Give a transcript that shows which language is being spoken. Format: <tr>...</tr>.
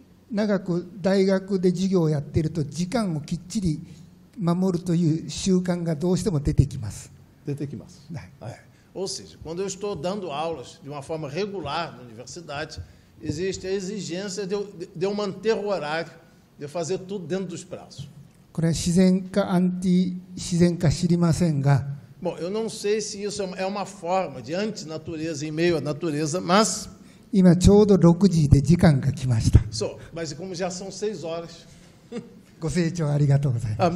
<ja>長く大学で授業をやってると時間をきっちり守るという習慣がどうしても出てきます。出てきます。</ja> <pt>Ou seja, quando eu estou dando aulas de uma forma regular na universidade, existe a exigência de eu manter o horário, de eu fazer tudo dentro dos prazos.</pt> <ja>これは自然か、アンティ自然か知りませんが。</ja> <pt>Bom, eu não sei se isso é uma forma de antinatureza em meio à natureza, mas...</pt> <ja>今ちょうど6時で時間が来ました。</ja> <pt>Mas como já são 6 horas...</pt> <ja>ご清聴ありがとうございます。</ja>